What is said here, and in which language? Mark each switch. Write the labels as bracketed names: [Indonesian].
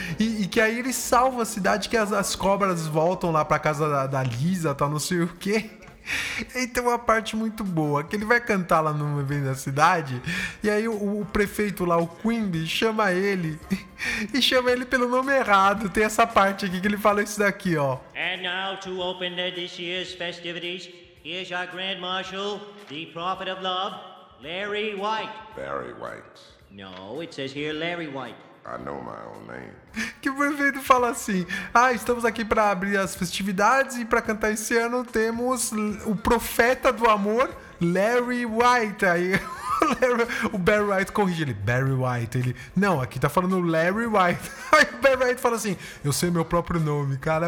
[Portuguese] E que aí ele salva a cidade, que as cobras voltam lá pra casa da Lisa, tá, não sei o quê. E tem uma parte muito boa, que ele vai cantar lá no evento da cidade, e aí o prefeito lá, o Quimby, chama ele pelo nome errado. Tem essa parte aqui que ele fala isso daqui, ó. [English] And now to open this year's festivities, here's our Grand Marshal, the Prophet of Love, Larry White. Barry White. No, it says here Larry White. I know my own name. [Portuguese] Que o prefeito fala assim: ah, estamos aqui para abrir as festividades e para cantar esse ano temos o profeta do amor, Larry White. Aí o Barry White corrige ele: Barry White. Ele: não, aqui tá falando Larry White. Aí o Barry White fala assim: eu sei meu próprio nome, cara.